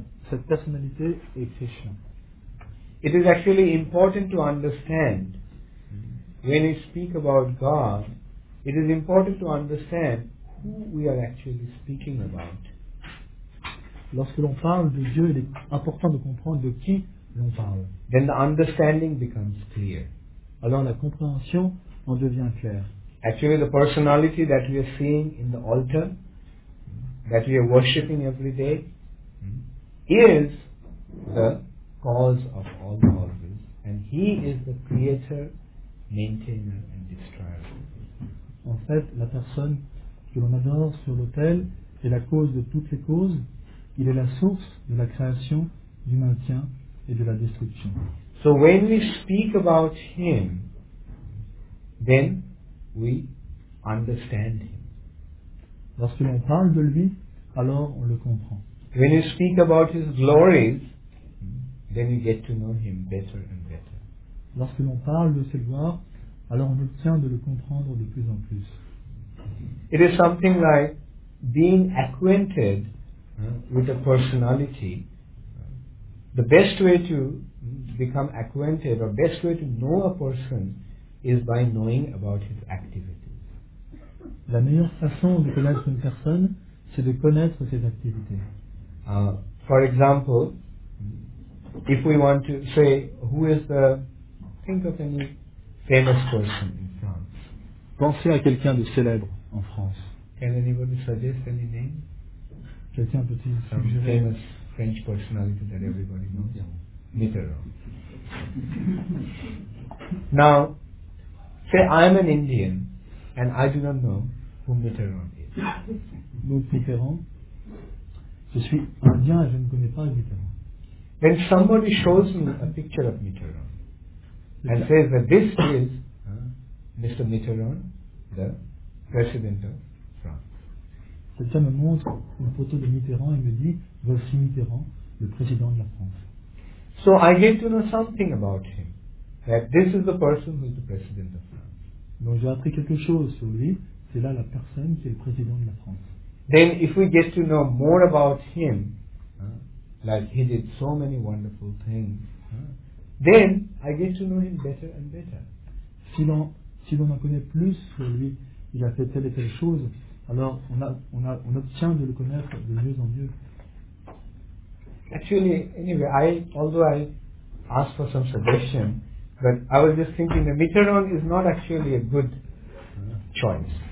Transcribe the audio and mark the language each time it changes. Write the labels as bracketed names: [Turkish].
[French] Cette personnalité est Krishna. [English] It is actually important to understand when we speak about God, it is important to understand who we are actually speaking about. [French] Lorsque l'on parle de Dieu, il est important de comprendre de qui l'on parle. [English] Then the understanding becomes clear. [French] Alors la compréhension en devient claire. [English] Actually, the personality that we are seeing in the altar, that we are worshipping every day, is the cause of all causes, and he is the creator, maintainer, and destroyer. [French] En fait, la personne que l'on adore sur l'autel est la cause de toutes les causes. Il est la source de la création, du maintien et de la destruction. [English] So when we speak about him, then we understand him. [French] Lorsque l'on parle de lui, alors on le comprend. [English] When we speak about his glories, then you get to know him better and better. [French] Lorsque l'on parle de ses gloires, alors on obtient de le comprendre de plus en plus. [English] It is something like being acquainted with a personality. The best way to become acquainted or best way to know a person is by knowing about his activities. [French] La meilleure façon de connaître une personne, c'est de connaître ses activités. [English] For example, if we want to say who is the, think of any famous person in France. [French] Pensez à quelqu'un de célèbre en France. [English] Can anybody suggest any name? [French] Quelqu'un peut-il suggérer? [English] Some famous French personality that everybody knows. Yeah. Mitterrand. Now, say I am an Indian and I do not know who Mitterrand is. [French] Donc Mitterrand. Je suis indien et je ne connais pas Mitterrand. [English] When somebody shows me a picture of Mitterrand and says that this is Mr. Mitterrand, the president of France. [French] Quelqu'un me montre une photo de Mitterrand et me dit, voici Mitterrand, le président de la France. [English] So I get to know something about him, that this is the person who is the president of France. [French] Donc j'ai appris quelque chose sur lui, c'est là la personne qui est le président de la France. [English] Then if we get to know more about him, like he did so many wonderful things, then I get to know him better and better. [French] Si l'on en connaît plus sur lui, il a fait telle et telle chose, alors on obtient de le connaître de mieux en mieux. [English] Actually, anyway, although I asked for some suggestion, but I was just thinking that Mitterrand is not actually a good choice.